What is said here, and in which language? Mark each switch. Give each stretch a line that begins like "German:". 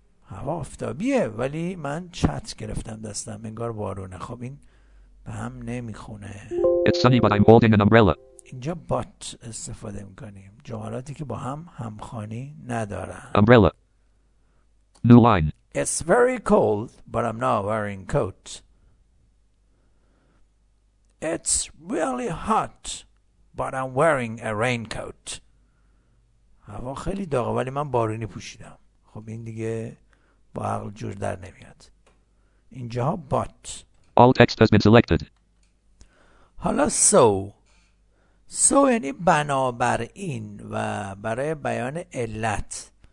Persian: هوا آفتابیه ولی من چتر گرفتم دستم. انگار بارونه. خب این به هم نمیخونه.
English: It's sunny, but I'm holding an umbrella.
Persian: اینجا but استفاده میکنیم. جملاتی که با هم همخوانی ندارن.
English: Umbrella. New line. It's very cold, but I'm not wearing coat. It's really hot, but I'm wearing a raincoat.
Persian: هوا خیلی داغه ولی من بارونی پوشیدم. خب این دیگه با عقل جور در نمیاد. اینجا ها but.
English: All text has been selected.
Persian: حالا so. So یعنی بنابر این و برای بیان علت.